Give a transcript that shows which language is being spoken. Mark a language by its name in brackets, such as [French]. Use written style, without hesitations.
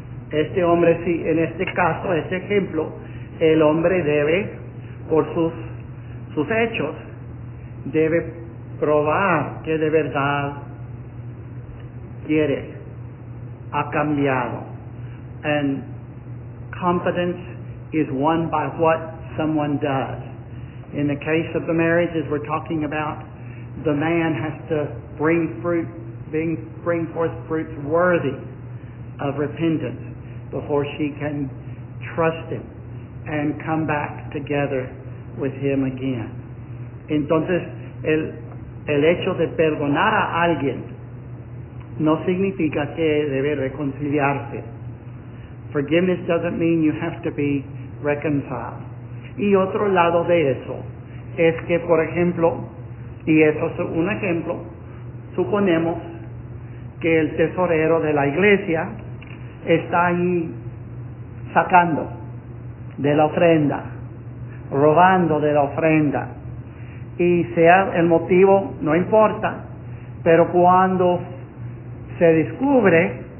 [Spanish] Este hombre, sí, en este caso, este ejemplo, el hombre debe, por sus hechos, debe probar que de verdad quiere, ha cambiado. [English] And confidence is won by what someone does. In the case of the marriages we're talking about, the man has to bring forth fruits worthy of repentance before she can trust him and come back together with him again. [Spanish] Entonces, el hecho de perdonar a alguien no significa que debe reconciliarse. [English] Forgiveness doesn't mean you have to be reconciled. [Spanish] Y otro lado de eso es que, por ejemplo, y eso es un ejemplo, suponemos que el tesorero de la iglesia está ahí sacando de la ofrenda, robando de la ofrenda, y sea el motivo, no importa, pero cuando se descubre